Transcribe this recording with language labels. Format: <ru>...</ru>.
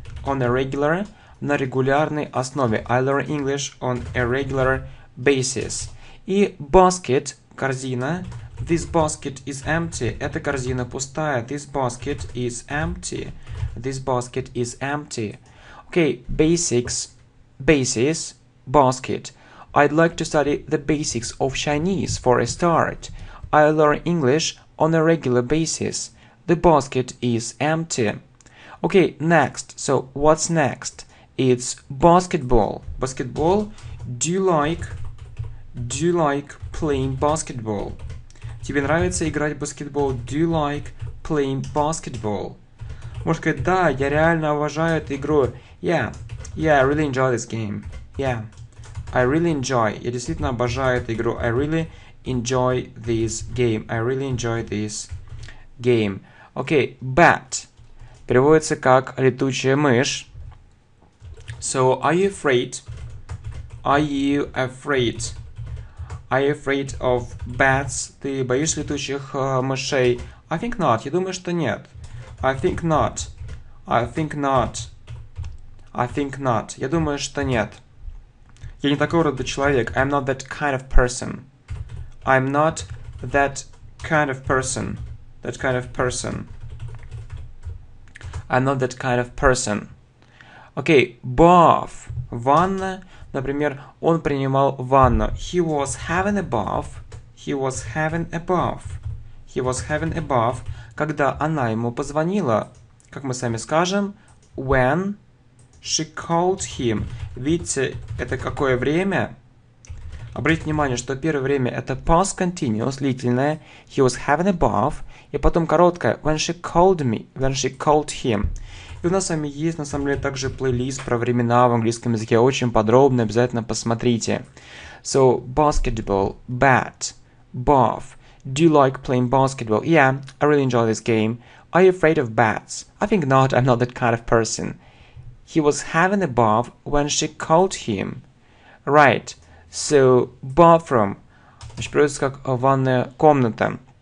<en>On a regular,</en> <ru>на регулярной основе.</ru> <en>I learn English on a regular basis.</en> <ru>И basket, корзина.</ru> <en>This basket is empty.</en> <ru>Эта корзина пустая.</ru> <en>This basket is empty. This basket is empty. Okay, basics, basis, basket. I'd like to study the basics of Chinese for a start. I learn English on a regular basis. The basket is empty. Okay, next. So, what's next? It's basketball. Basketball. Do you like playing basketball?</en> <ru>Тебе нравится играть в баскетбол?</ru> <en>Do you like playing basketball?</en> <ru>Можешь сказать, да, я реально уважаю эту игру.</ru> <en>Yeah, I really enjoy this game. Yeah, I really enjoy.</en> <ru>Я действительно обожаю эту игру.</ru> <en>I really enjoy this game. I really enjoy this game. Okay, bat.</en> <ru>Переводится как летучая мышь.</ru> <en>So, are you afraid? Are you afraid? Are you afraid of bats?</en> <ru>Ты боишься летучих мышей?</ru> <en>I think not.</en> <ru>Я думаю, что нет. I think not. Я думаю, что нет. Я не такого рода человек.</ru> <en>I'm not that kind of person. I'm not that kind of person. That kind of person. I'm not that kind of person.</en> <ru>Окей, bath. Ванна. Например, он принимал ванну.</ru> <en>He was having a bath. He was having a bath. He was having a bath,</en> <ru>когда она ему позвонила. Как мы сами скажем,</ru> <en>when She called him.</en> <ru>Видите, это какое время? Обратите внимание, что первое время это past continuous, длительное.</ru> <en>He was having a bath.</en> <ru>И потом короткое.</ru> <en>When she called me. When she called him.</en> <ru>И у нас с вами есть, на самом деле, также плейлист про времена в английском языке. Очень подробно, обязательно посмотрите.</ru> <en>So, basketball, bat, bath. Do you like playing basketball? Yeah, I really enjoy this game. Are you afraid of bats? I think not, I'm not that kind of person. He was having a bath when she called him. Right, so bathroom.</en> <ru>Значит, переводится как ванная комната.</ru>